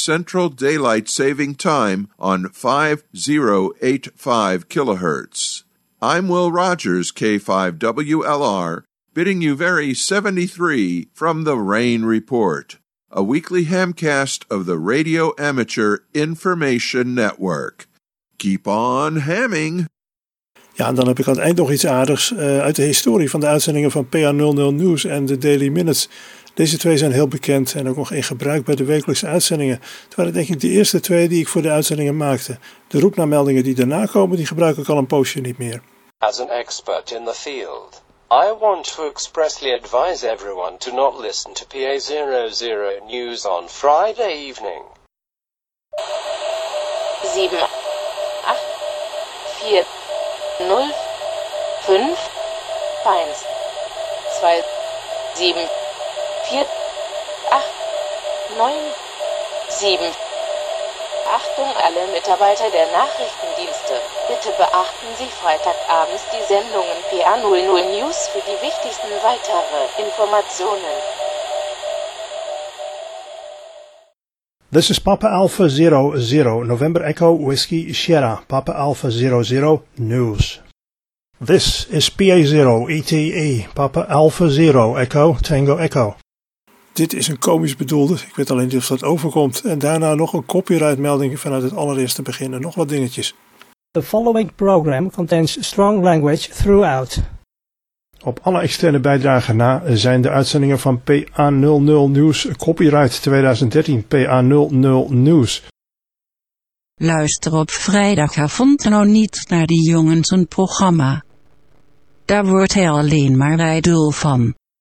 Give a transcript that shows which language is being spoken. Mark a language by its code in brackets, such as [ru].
[en] Central Daylight Saving Time on 5085 kHz. I'm Will Rogers, K5WLR, bidding you very 73 from the RAIN Report, a weekly hamcast of the Radio Amateur Information Network. Keep on hamming! [nl] Ja, en dan heb ik aan het eind nog iets aardigs uit de historie van de uitzendingen van PA00 News en de Daily Minutes. Deze twee zijn heel bekend en ook nog in gebruik bij de wekelijkse uitzendingen. Het waren denk ik de eerste twee die ik voor de uitzendingen maakte. De roepnaammeldingen die daarna komen, die gebruik ik al een poosje niet meer. [en] As an expert in the field, I want to expressly advise everyone to not listen to PA00 News on Friday evening. 7, 8, 4, 0, 5, 1, 2, 7, 4, 8, 9, 7. [de] Achtung, alle Mitarbeiter der Nachrichtendienste, bitte beachten Sie freitagabends die Sendungen PA00 News für die wichtigsten weitere Informationen. [en] This is Papa Alpha 00, November Echo Whiskey Sierra, Papa Alpha 00 News. This is PA0 ETE, Papa Alpha 0 Echo Tango Echo. [nl] Dit is een komisch bedoelde, ik weet alleen niet of dat overkomt. En daarna nog een copyrightmelding vanuit het allereerste begin en nog wat dingetjes. [en] The following program contains strong language throughout. [nl] Op alle externe bijdragen na zijn de uitzendingen van PA00 News copyright 2013 PA00 News. Luister op vrijdagavond nou niet naar die jongens een programma. Daar wordt hij alleen maar ijdel van.